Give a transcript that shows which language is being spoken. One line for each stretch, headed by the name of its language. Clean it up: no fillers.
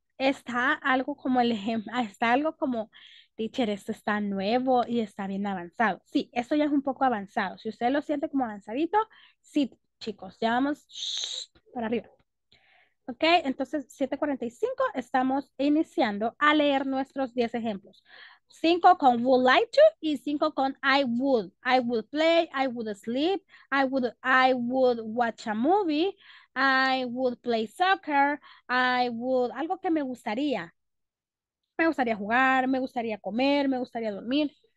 Spanish: Está algo como el ejemplo, está algo como teacher, esto está nuevo y está bien avanzado. Sí, esto ya es un poco avanzado. Si usted lo siente como avanzadito, sí, chicos, ya vamos shh, para arriba. Ok, entonces 7:45 estamos iniciando a leer nuestros 10 ejemplos. 5 con
English: would like to
Spanish: y 5 con
English: I would. I would play, I would sleep, I would watch a movie, I would play soccer, I would,
Spanish: algo que me gustaría. Me gustaría jugar, me gustaría comer, me gustaría dormir.